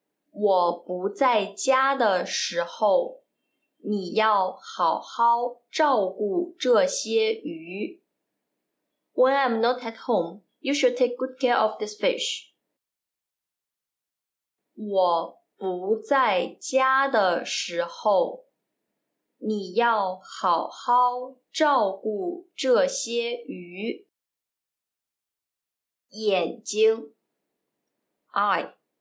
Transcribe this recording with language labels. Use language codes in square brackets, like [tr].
[zh] 我不在家的时候，你要好好照顾这些鱼。 [en] When I'm not at home, you should take good care of this fish. [zh] 我不在家的时候，你要好好照顾这些鱼。眼睛 [en] ，eye，